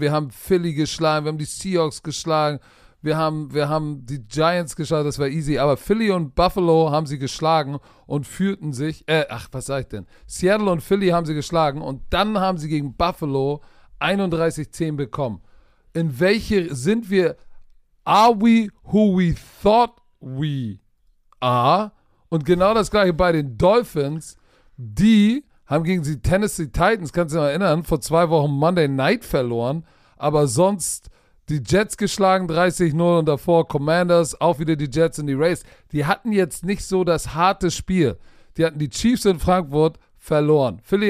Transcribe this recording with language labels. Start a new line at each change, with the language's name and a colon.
German: Wir haben Philly geschlagen, wir haben die Seahawks geschlagen, wir haben die Giants geschlagen, das war easy. Aber Philly und Buffalo haben sie geschlagen und fühlten sich, Seattle und Philly haben sie geschlagen und dann haben sie gegen Buffalo 31-10 bekommen. In welche sind wir?
English: Are we who we thought we are?
German: Und genau das gleiche bei den Dolphins, die haben gegen die Tennessee Titans, kannst du dich noch erinnern, vor 2 Wochen Monday Night verloren, aber sonst die Jets geschlagen 30-0 und davor Commanders, auch wieder die Jets in die Race. Die hatten jetzt nicht so das harte Spiel. Die hatten die Chiefs in Frankfurt verloren.